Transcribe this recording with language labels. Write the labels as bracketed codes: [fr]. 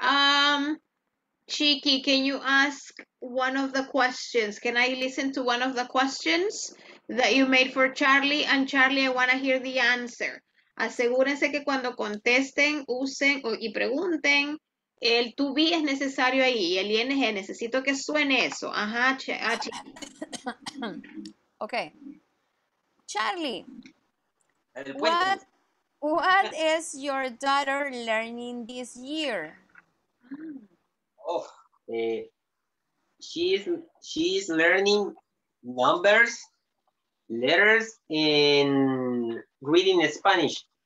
[en] Chiki, can you ask one of the questions? Can I listen to one of the questions that you made for Charlie? And Charlie, I want to hear the answer. [es] Asegúrense que cuando contesten, usen y pregunten, el to be es necesario ahí, el ing, necesito que suene eso. Ajá, Chiki. [en] Okay. Charlie, what is your daughter learning this year? Oh, she's learning numbers, letters, and reading Spanish.